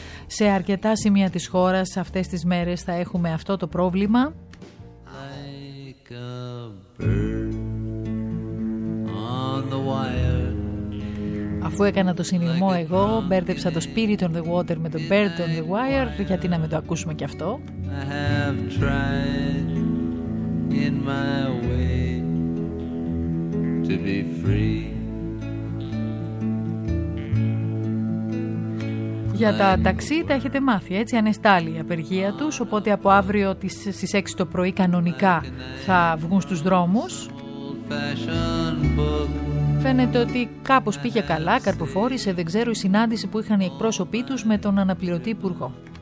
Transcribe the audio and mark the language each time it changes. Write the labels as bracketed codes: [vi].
[el] Σε αρκετά σημεία της χώρας αυτές τις μέρες θα έχουμε αυτό το πρόβλημα. [en] Like a bird on the wire. [el] Αφού έκανα το συνειμό εγώ, μπέρδεψα το Spirit on the Water με το Bird on the Wire, γιατί να μην το ακούσουμε κι αυτό. [en] I have tried in my way to be free. [el] Για τα ταξί τα έχετε μάθει, έτσι ανεστάλλει η απεργία τους, οπότε από αύριο στις 6 το πρωί κανονικά θα βγουν στους δρόμους. Φαίνεται ότι κάπως πήγε καλά, καρποφόρησε, δεν ξέρω, η συνάντηση που είχαν οι εκπρόσωποι τους με τον αναπληρωτή υπουργό.